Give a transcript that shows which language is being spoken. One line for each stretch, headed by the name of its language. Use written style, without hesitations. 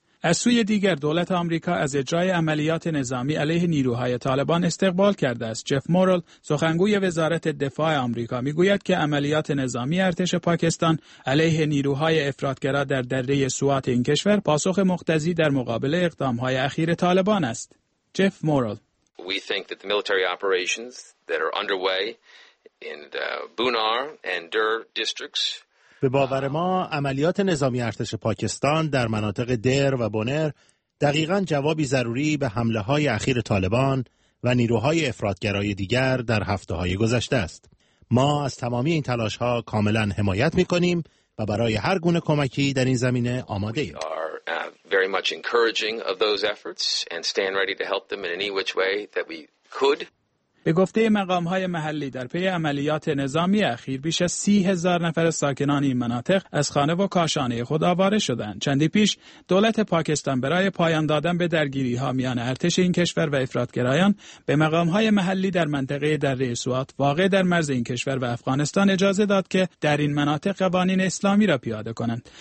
Persian: از سوی دیگر، دولت آمریکا از اجرای عملیات نظامی علیه نیروهای طالبان استقبال کرده است. جف مورل، سخنگوی وزارت دفاع آمریکا، میگوید که عملیات نظامی ارتش پاکستان علیه نیروهای افراط‌گرا در دره سوات این کشور پاسخ مقتضی در مقابل اقدامهای اخیر طالبان است. جف مورل:
English: We think that the military operations that are underway in the Bunar and Dir districts.
Persian: به باور ما، عملیات نظامی ارتش پاکستان در مناطق دیر و بونر دقیقاً جوابی ضروری به حمله‌های اخیر طالبان و نیروهای افراط‌گرای دیگر در هفته‌های گذشته است. ما از تمامی این تلاش‌ها کاملاً حمایت می‌کنیم و برای هر گونه کمکی در این زمینه آماده‌ایم.
English: Very much encouraging of those efforts and stand ready to help them in any which way that we could.
Persian: به گفته مقام‌های محلی، در پی عملیات نظامی اخیر بیش از 30,000 نفر ساکنان این مناطق از خانه و کاشانه خود آواره شدند. چندی پیش دولت پاکستان برای پایان دادن به درگیری‌ها میان ارتش این کشور و افراط‌گرایان به مقام‌های محلی در منطقه دره سوات واقع در مرز این کشور و افغانستان اجازه داد که در این مناطق قوانین اسلامی را پیاده کنند.